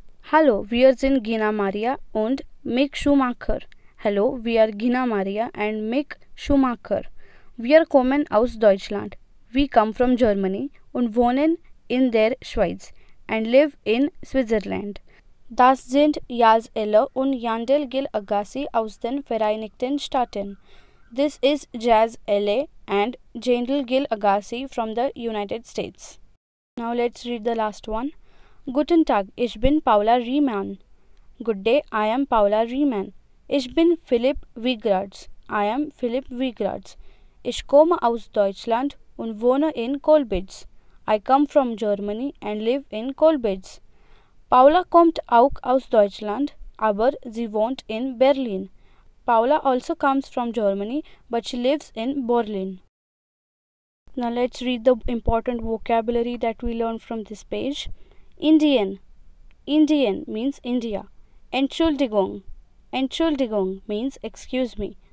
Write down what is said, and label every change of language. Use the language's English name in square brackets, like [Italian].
[German] Hallo, wir sind Gina Maria und Mick Schumacher. [English] Hello, we are Gina Maria and Mick Schumacher. [German] Wir kommen aus Deutschland. [English] We come from Germany [German] und wohnen in der Schweiz [English] and live in Switzerland. [German] Das sind Jahr 11 und Jandel Gil Agassi aus den Vereinigten Staaten. [English] This is Jazz LA and Jandel Gil Agassi from the United States. Now let's read the last one. [German] Guten Tag, ich bin Paula Riemann. [English] Good day, I am Paula Riemann. [German] Ich bin Philipp Wiegratz. [English] I am Philipp Wiegratz. [German] Ich komme aus Deutschland und wohne in Kolbitz. [English] I come from Germany and live in Kolbitz. [German] Paula kommt auch aus Deutschland, aber sie wohnt in Berlin. [English] Paula also comes from Germany, but she lives in Berlin. Now let's read the important vocabulary that we learned from this page. Indian. Indian means India. [German] Entschuldigung. [English] Entschuldigung means excuse me.